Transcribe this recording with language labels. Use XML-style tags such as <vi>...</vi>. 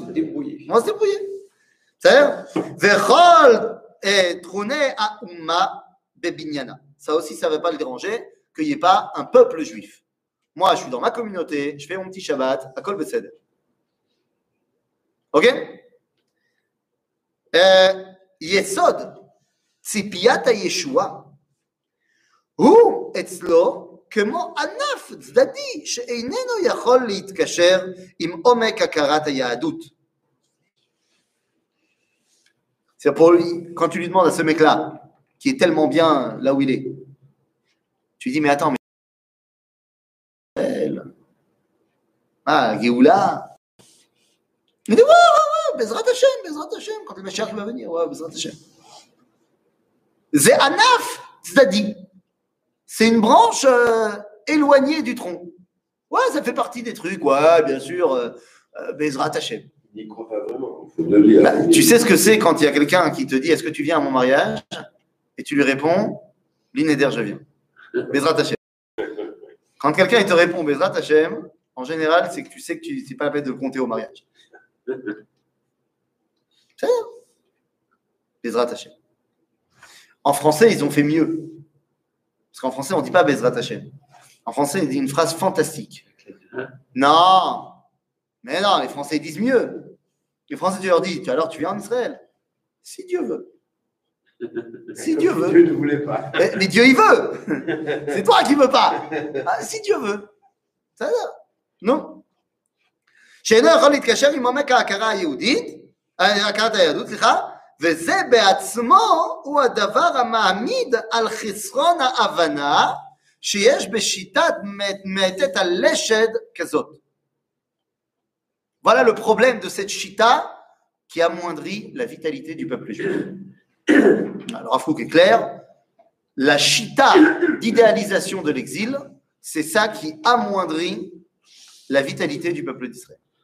<fr>va se débrouiller. C'est-à-dire, Vechol et Trune à Umma Bebinyana. Ça aussi, ça ne va pas le déranger qu'il n'y ait pas un peuple juif. Moi, je suis dans ma communauté, je fais mon petit Shabbat à Kol Beseder. Ok ?</fr> <he>Yesod, Tzipiat à Yeshua, ou Etzlo, כמו ענף צדדי שאיננו יכול להתקשר עם עומק הכרת היהדות.</he> <fr>C'est pour lui, quand tu lui demandes à ce mec-là, qui est tellement bien là où il est, tu lui dis, mais attends, mais... Ah, Géoula. Il dit, ouais, Bezrat Hashem, quand le Mashiach va venir, ouais, Bezrat Hashem. C'est</fr> <he>ענף צדדי.</he> <fr>C'est une branche éloignée du tronc. Ouais, ça fait partie des trucs. Ouais, bien sûr. Bezrat Hashem. Il n'y croit pas vraiment. Bah, tu sais ce que c'est quand il y a quelqu'un qui te dit « Est-ce que tu viens à mon mariage ?» Et tu lui réponds « Lineder, je viens. » Bezrat Hashem. Quand quelqu'un il te répond « Bezrat Hashem », en général, c'est que tu sais que ce n'est pas la peine de compter au mariage. C'est ça. Bezrat Hashem. En français, ils ont fait mieux. Parce qu'en français, on ne dit pas Bezrat Hashem. En français, on dit une phrase fantastique. Non ! Mais non, les Français disent mieux. Les Français, tu leur dis, alors tu viens en Israël ? Si Dieu veut. Si Dieu veut. Dieu ne voulait pas. Mais Dieu, il veut. C'est toi qui ne veux pas. Ah, si Dieu veut. Ça va ? Non ? Chez nous, on dit que Hashem, il m'a mis à Akara Yehoudit, à Akara Tayadout, c'est ça ?</fr> <he>וזה בעצמו הוא הדבר המעמיד על חסרון ההבנה שיש בשיטת מתת הלשד כזאת.</he> <fr>Voilà le problème de cette chita qui amoindrit la vitalité du peuple juif. Alors, à Fouque est clair, la chita d'idéalisation de l'exil, c'est ça qui amoindrit la vitalité du peuple d'Israël.</fr>